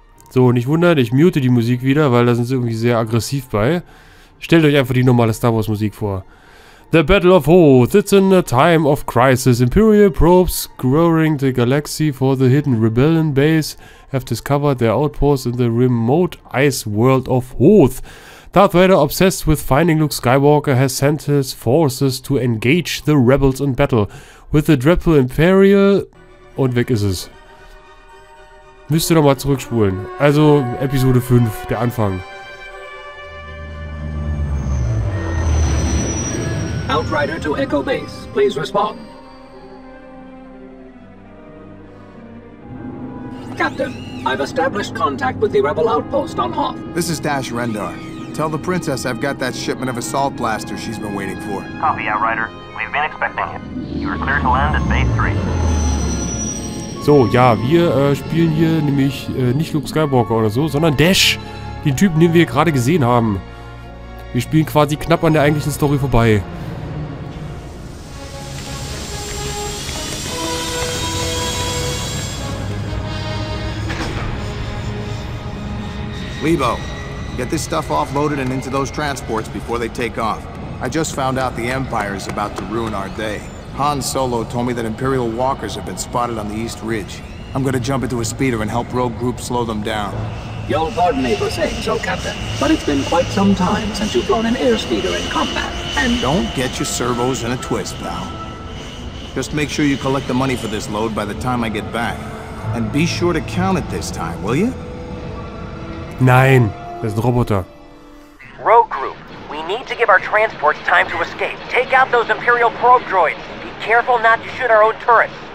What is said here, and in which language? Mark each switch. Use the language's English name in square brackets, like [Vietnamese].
[German] So, nicht wundern, ich mute die Musik wieder, weil da sind sie irgendwie sehr aggressiv bei. Stellt euch einfach die normale Star Wars Musik vor. [English] The Battle of Hoth, it's in a time of crisis. Imperial probes scouring the galaxy for the hidden rebellion base have discovered their outposts in the remote ice world of Hoth. Darth Vader, obsessed with finding Luke Skywalker, has sent his forces to engage the rebels in battle. With the dreadful Imperial... [German] Und weg ist es. Müsste noch mal zurückspulen. Also Episode 5, der Anfang. [English] Outrider to Echo Base, please respond. Captain, I've established contact with the Rebel outpost on Hoth. This is Dash Rendar. Tell the princess I've got that shipment of assault blasters she's been waiting for. Copy, Outrider. We've been expecting it. You are clear to land at Base 3. [German] So, ja, wir spielen hier nämlich nicht Luke Skywalker oder so, sondern Dash, den Typen, den wir gerade gesehen haben. Wir spielen quasi knapp an der eigentlichen Story vorbei. [English] Lebo, get this stuff offloaded and into those transports before they take off. I just found out the Empire is about to ruin our day. Han Solo told me that Imperial walkers have been spotted on the East Ridge. I'm gonna jump into a speeder and help rogue groups slow them down. You'll pardon me for saying so, Captain, but it's been quite some time since you've flown an air speeder in combat, and... Don't get your servos in a twist, pal. Just make sure you collect the money for this load by the time I get back. And be sure to count it this time, will you? [German] Nein, das ist ein Roboter. [English] Rogue group, we need to give our transports time to escape. Take out those Imperial probe droids. Careful not to shoot our own turrets.